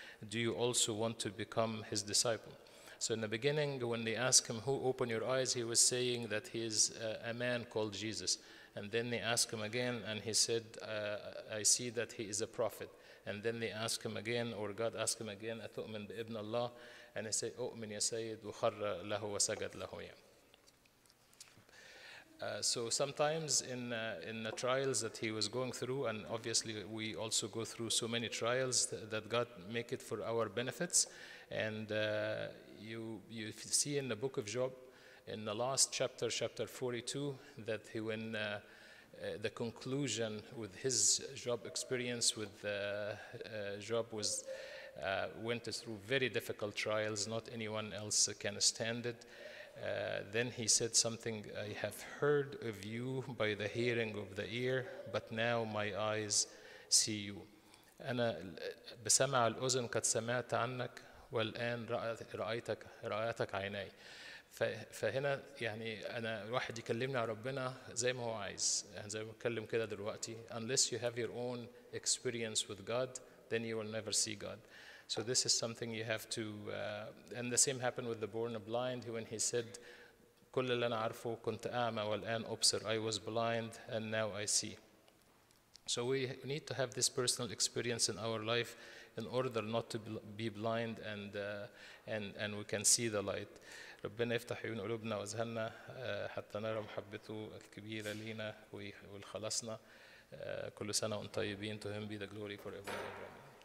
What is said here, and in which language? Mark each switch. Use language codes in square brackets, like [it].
[en] Do you also want to become his disciple? So in the beginning, when they asked him, who opened your eyes? He was saying that he is a man called Jesus. And then they asked him again, and he said, I see that he is a prophet. And then they asked him again, or God asked him again, [ar] أتؤمن بإبن الله? [en] And he said, [ar] أؤمن يا سيد وخر له وسجد له يا. [en] So sometimes in the trials that he was going through, and obviously we also go through so many trials that God make it for our benefits, and you see in the book of Job, in the last chapter, chapter 42, that he when the conclusion with his Job experience with Job was went through very difficult trials, not anyone else can stand it. Then he said something, I have heard of you by the hearing of the ear, but now my eyes see you. [ar] أنا بسمع الأذن قد سمعت عنك والآن رأيتك عيني. فهنا يعني أنا واحد يكلمني على ربنا زي ما هو عايز. يعني زي ما بتكلم كده دلوقتي. [en] Unless you have your own experience with God, then you will never see God. So this is something you have to, and the same happened with the born blind, when he said, [ar] كل اللي أنا عارفه كنت أعمى والآن أبصر. [en] I was blind and now I see. So we need to have this personal experience in our life in order not to be blind and we can see the light. [ar] ربنا يفتح عيون قلوبنا وأذهاننا حتى نرى محبته الكبيرة لينا والخلصنا. كل سنة وأنتم طيبين. [en] To him be the glory forever and ever.